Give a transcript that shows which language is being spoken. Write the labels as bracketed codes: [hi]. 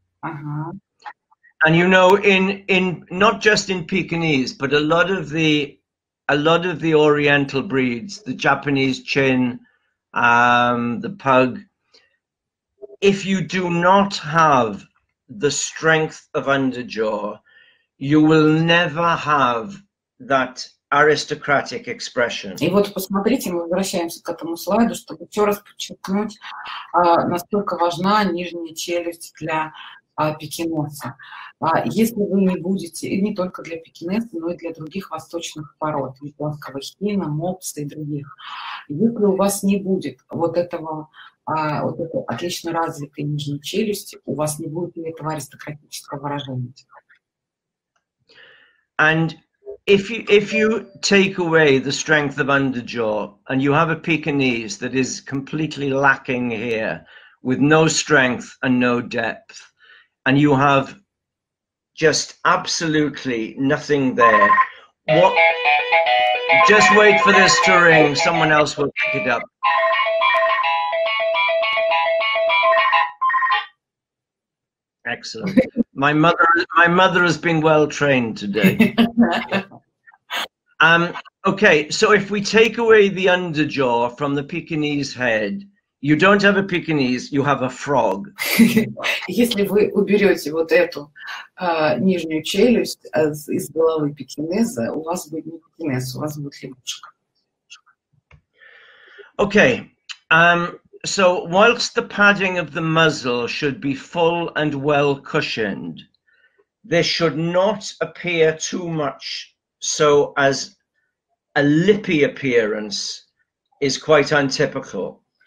[en] And you know, in not just in Pekinese, but a lot of the Oriental breeds, the Japanese chin, the pug, if you do not have the strength of underjaw, you will never have that aristocratic expression. [ru] И вот посмотрите, мы возвращаемся к этому слайду, чтобы еще раз подчеркнуть, насколько важна нижняя челюсть для пекинеса. Если вы не будете, и не только для пекинеса, но и для других восточных пород, японского хина, мопса и других, если у вас не будет вот этого, вот этой отлично развитой нижней челюсти, у вас не будет ни этого аристократического выражения. [en] And if you take away the strength of underjaw and you have a Pekinese that is completely lacking here, with no strength and no depth, and you have just absolutely nothing there. What? Just wait for this to ring. Someone else will pick it up. Excellent. My mother has been well trained today. Okay, so if we take away the underjaw from the Pekinese head, you don't have a Pekinese, you have a frog. [ru] Если вы уберете вот эту нижнюю челюсть из головы пекинеса, у вас будет не пекинес, у вас будет лягушка. [en] Okay, so whilst the padding of the muzzle should be full and well cushioned, there should not appear too much so as a lippy appearance is quite untypical.